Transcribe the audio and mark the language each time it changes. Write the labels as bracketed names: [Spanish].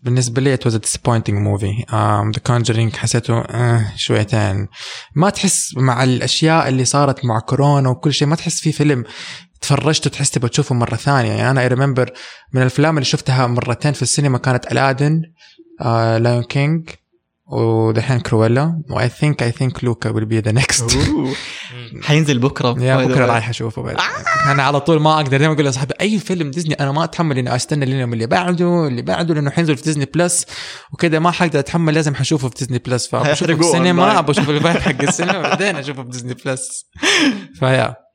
[Arabic] بالنسبة لي, [English] it was a disappointing movie. The Conjuring, [Arabic] حسيته شويتين. ما تحس مع الأشياء اللي صارت مع كورونا وكل شيء. ما تحس في فيلم تفرجته تحس تبغى تشوفه مرة ثانية. يعني أنا [English] I remember [Arabic] من الأفلام اللي شفتها مرتين في السينما كانت Aladdin, Lion King, ودحين Cruella. [English] And I think Luca will be the next. [Arabic] حينزل بكرة يا بكرة رايح أشوفه بعد أنا على طول ما أقدر دائما أقول لأصحابي أي فيلم ديزني أنا ما أتحمل إني أستنى اليوم اللي بعده لأنه حينزل في ديزني بلس وكده ما حقدر أتحمل لازم حشوفه في ديزني بلس فأشوفه في السينما أبغى أشوف الفايب حق السينما بعدين أشوفه في ديزني بلس فيا